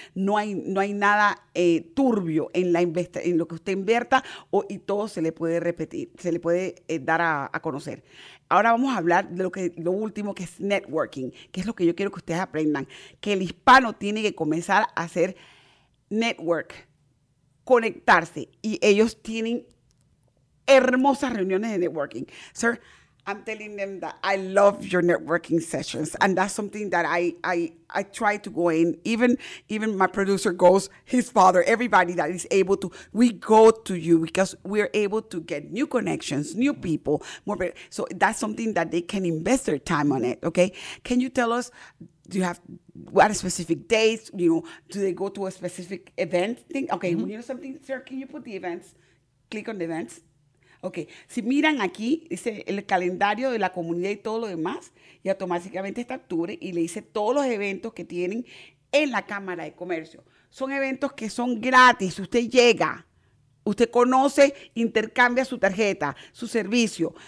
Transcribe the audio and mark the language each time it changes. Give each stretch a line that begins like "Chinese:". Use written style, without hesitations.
Spanish: No hay nada turbio en lo que usted invierta y todo se le puede repetir, se le puede dar a conocer. Ahora vamos a hablar de lo último, que es networking, que es lo que yo quiero que ustedes aprendan, que el hispano tiene que comenzar a hacer network, conectarse, y ellos tienen hermosas reuniones de networking.
English: Sir, I'm telling them that I love your networking sessions, and that's something that I try to go in. Even my producer goes, his father, everybody that is able to, we go to you because we're able to get new connections, new people, more. So that's something that they can invest their time on it. Okay, can you tell us? Do you have what specific dates? You know, do they go to a specific event thing? Okay, mm-hmm. You know something, sir? Can you put the events? Click on the events.
Spanish: Okay, si miran aquí, dice el calendario de la comunidad y todo lo demás, y automáticamente está octubre, y le dice todos los eventos que tienen en la Cámara de Comercio. Son eventos que son gratis. Usted llega, usted conoce, intercambia su tarjeta, su servicio.